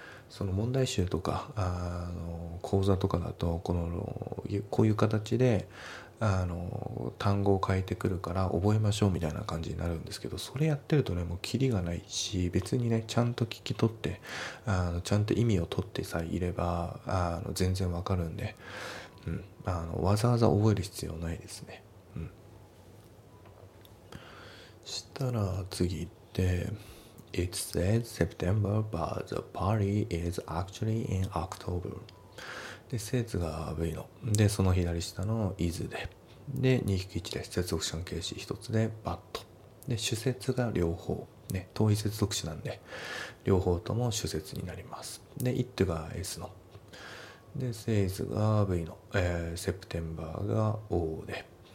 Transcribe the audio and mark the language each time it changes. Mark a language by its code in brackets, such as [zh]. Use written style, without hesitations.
[ja] その問題集とか講座とかだと、このこういう形で単語を変えてくるから覚えましょうみたいな感じになるんですけど、それやってるとね、もうキリがないし、別にねちゃんと聞き取って、ちゃんと意味を取ってさえいれば全然わかるんで、わざわざ覚える必要ないですね。したら次行って、 [en] It says September but the party is actually in October。 [ja] で、says が V の。で、その左下の is で。で、2引き1で、接続詞の形詞1つで、but。で、主節が両方。ね、遠い接続詞なんで、両方とも主節になります。で、it が S の。で、says が V の。 September が O で。